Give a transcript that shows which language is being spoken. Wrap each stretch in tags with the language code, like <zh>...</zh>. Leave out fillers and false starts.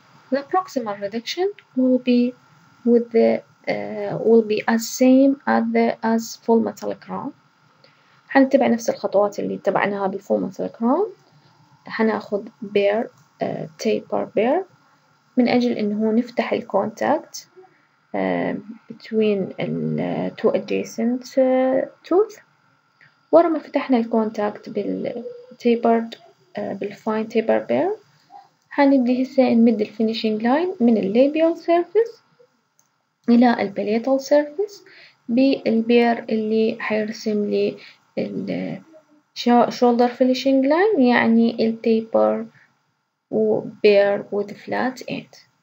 <en>The proximal reduction will be with the will be as same as the as full metal crown.</en> <ar>حنتبع نفس الخطوات اللي تبعناها بالfull metal crown. حناخذ بير taper bear من أجل إنه نفتح الكونتاكت</ar> <en>between the two adjacent tooth.</en> <ar>ورا ما فتحنا الكونتاكت بالtapered بالfine taper bear هنبدي هسه نمد الفينيشينج لاين من الليبيال سيرفيس الى الباليتال سيرفيس بالبير اللي حيرسم لي الشولدر فينيشينج لاين يعني</ar> <en>التيبر وبير with flat end.</en>